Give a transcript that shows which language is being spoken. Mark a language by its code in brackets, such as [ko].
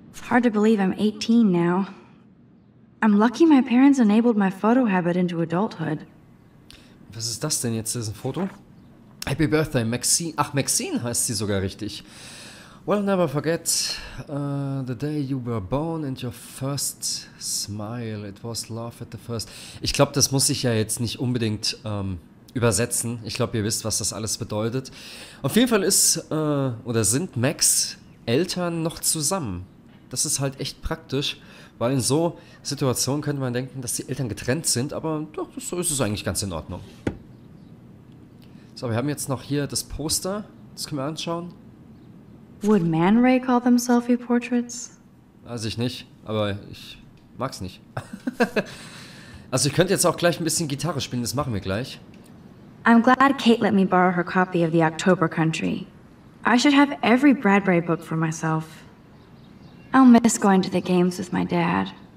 [en] Hard to believe I'm 18 now. I'm lucky my parents enabled my photo habit into adulthood. [de] Was ist das denn jetzt, dieses Foto? [en] Happy Birthday, [de] Maxine. Ach, Maxine heißt sie sogar richtig. [en] We'll never forget the day you were born and your first smile. It was love at the first. [de] Ich glaube, das muss ich ja jetzt nicht unbedingt übersetzen. Ich glaube, ihr wisst, was das alles bedeutet. Auf jeden Fall ist oder sind Max Eltern noch zusammen. Das ist halt echt praktisch. Weil in so Situationen könnte man denken, dass die Eltern getrennt sind, aber doch, so ist es eigentlich ganz in Ordnung. So, wir haben jetzt noch hier das Poster. Das können wir anschauen. [en] Would Man Ray call them selfie portraits? [de] Weiß ich nicht, aber ich mag's nicht. Also ich könnte jetzt auch gleich ein bisschen Gitarre spielen, das machen wir gleich. [en] I'm glad Kate let me borrow her copy of the October Country. I should have every Bradbury book for myself. I'll miss going to the games with my dad.